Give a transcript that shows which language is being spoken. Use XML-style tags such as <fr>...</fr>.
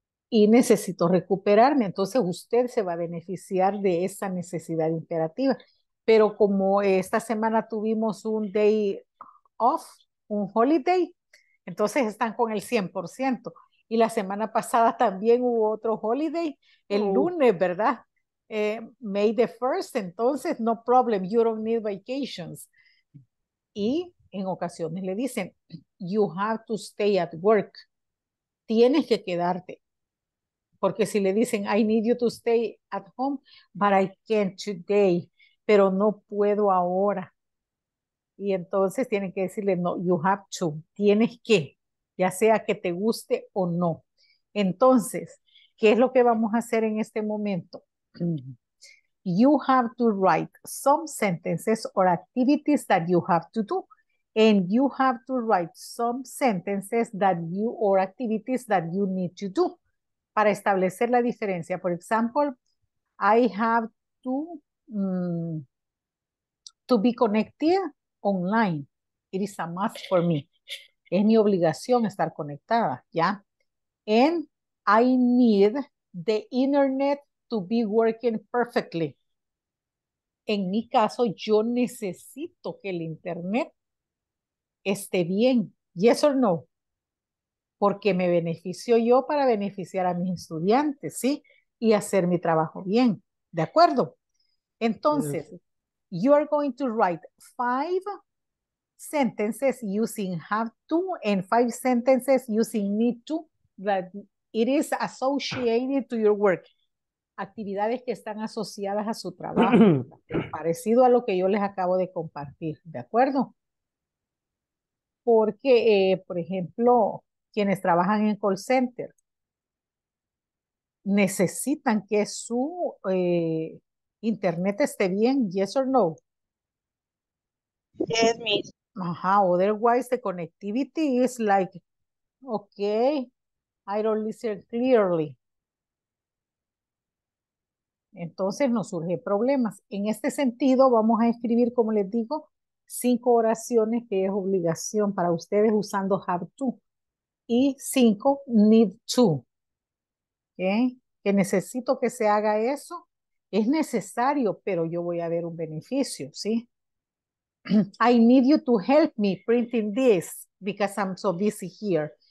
<es>Y necesito recuperarme. Entonces usted se va a beneficiar de esa necesidad imperativa. pero como esta semana tuvimos un</es> <en>day off,</en> <es>un</es> <en>holiday,</en> <es>entonces están con el 100%. Y la semana pasada también hubo otro</es> <en>holiday,</en> <es>el lunes, ¿verdad?</es> <en>May the 1st,</en> <es>entonces</es> <en>no problem, you don't need vacations.</en> <es>Y en ocasiones le dicen,</es> <en>you have to stay at work.</en> <es>Tienes que quedarte. Porque si le dicen,</es> <en>I need you to stay at home, but I can't today.</en> <es>Pero no puedo ahora. Y entonces tienen que decirle,</es> <en>no, you have to.</en> <es>Tienes que. Ya sea que te guste o no. Entonces, ¿qué es lo que vamos a hacer en este momento?</es> <en>You have to write some sentences or activities that you have to do. And you have to write some sentences that you or activities that you need to do.</en> <es>Para establecer la diferencia.</es> <en>For example, I have to be connected online. It is a must for me.</en> <es>Es mi obligación estar conectada, ¿ya?</es> <en>And I need the internet to be working perfectly.</en> <es>En mi caso, yo necesito que el internet esté bien.</es> <en>Yes or no?</en> <es>Porque me beneficio yo para beneficiar a mis estudiantes, ¿sí? Y hacer mi trabajo bien. ¿De acuerdo? Entonces,</es> <en>yes. You are going to write 5 sentences using have to and 5 sentences using need to that it is associated to your work.</en> <es>Actividades que están asociadas a su trabajo. Parecido a lo que yo les acabo de compartir. ¿De acuerdo? Porque, por ejemplo, quienes trabajan en call center necesitan que su internet esté bien,</es> <en>yes or no? Yes, miss. Ajá, otherwise the connectivity is like, okay, I don't listen clearly.</en> <es>Entonces nos surgen problemas. En este sentido, vamos a escribir, como les digo, 5 oraciones que es obligación para ustedes usando have to. Y 5, need to. ¿Okay? Que necesito que se haga eso. Es necesario, pero yo voy a ver un beneficio, ¿sí?</es> <en>I need you to help me printing this because I'm so busy here.</en>